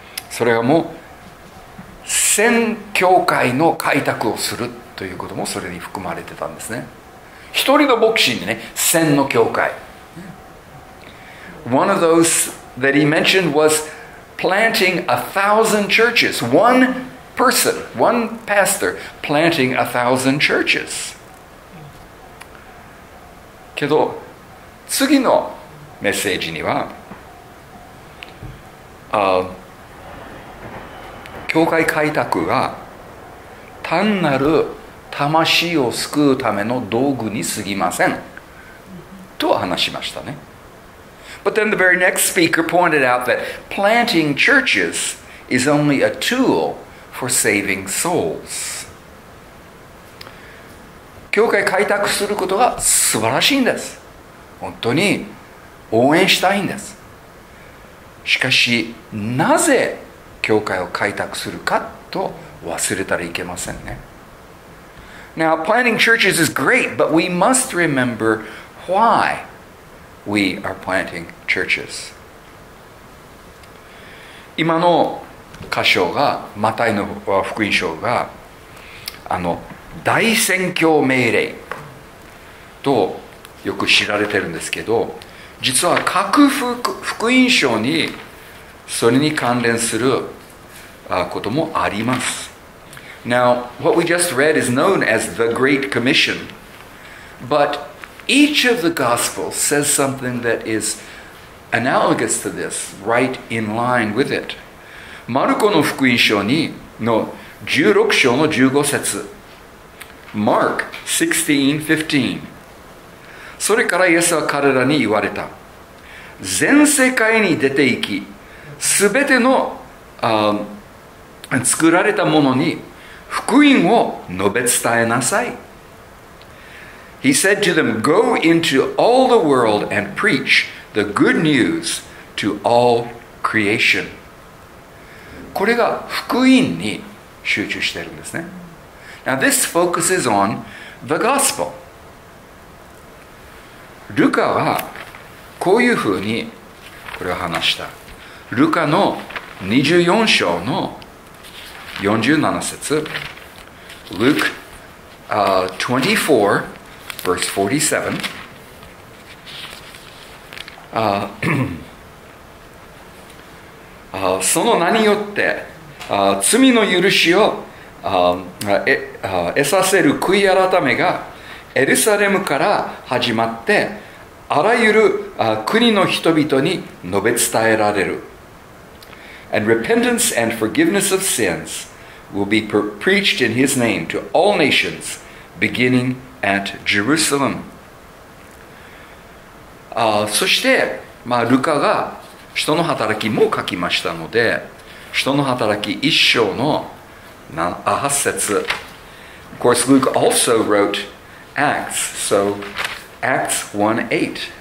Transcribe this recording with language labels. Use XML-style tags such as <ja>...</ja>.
<ja>それはもう、宣教会の開拓をする。ということもそれに含まれてたんですね。一人の牧師にね、千の教会。</ja> <en>One of those that he mentioned was planting 1,000 churches. One person, one pastor planting 1,000 churches.</en> <ja>けど、次のメッセージには、教会開拓が単なる魂を救うための道具にすぎませんと話しましたね。</ja> <en>But then the very next speaker pointed out that planting churches is only a tool for saving souls.</en> <ja>教会開拓することが素晴らしいんです。本当に応援したいんです。しかし、なぜ教会を開拓するかっことを忘れたらいけませんね。</ja> <en>Now, planting churches is great, but we must remember why we are planting churches.</en> <ja>今の箇所が、マタイの福音書が、大宣教命令とよく知られてるんですけど、実は各福音書にそれに関連することもあります。</ja> <en>Now, what we just read is known as the Great Commission, but each of the Gospels says something that is analogous to this, right in line with it.</en> <ja>マルコの福音書にの16章の15節</ja> <en>Mark 16:15</en> <ja>それからイエスは彼らに言われた全世界に出て行きすべての作られたものに福音を述べ伝えなさい。</ja> <en>He said to them, Go into all the world and preach the good news to all creation.</en> <ja>これが福音に集中してるんですね。</ja> <en>Now this focuses on the gospel.</en> <ja>ルカはこういうふうにこれを話した。ルカの24章の47節</ja> <en>Luke 24:47</en> <ja>その名によって罪の許しを得させる悔い改めがエルサレムから始まってあらゆる国の人々に述べ伝えられる。</ja> <en>And repentance and forgiveness of sins will be preached in his name to all nations, beginning at Jerusalem.</en> <ja>そして、ルカが使徒の働きも書きましたので、使徒の働き一章の八節。</ja> <en>Of course, Luke also wrote Acts, so Acts 1:8.</en>